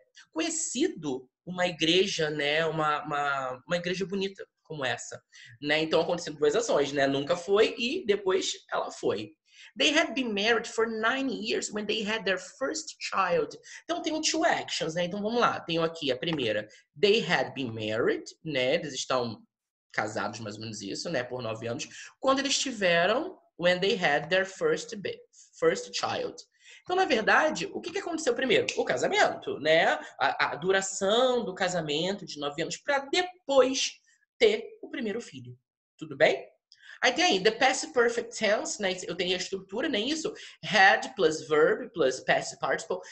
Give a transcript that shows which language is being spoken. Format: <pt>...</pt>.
<pt>Conhecido uma igreja, né, uma igreja bonita como essa, né? Então, aconteceram duas ações, né? Nunca foi e depois ela foi.</pt> <en>They had been married for 9 years when they had their first child.</en> <pt>Então, tem two actions, né? Então, vamos lá. Tenho aqui a primeira. They had been married, né? Eles estão casados, mais ou menos isso, né? Por 9 anos. Quando eles tiveram, when they had their first child. Então, na verdade, o que que aconteceu primeiro? O casamento, né? A duração do casamento de 9 anos para depois ter o primeiro filho. Tudo bem? Aí tem aí, the past perfect tense, né? Eu tenho a estrutura, nem né? Isso. Had plus verb plus past participle.</pt>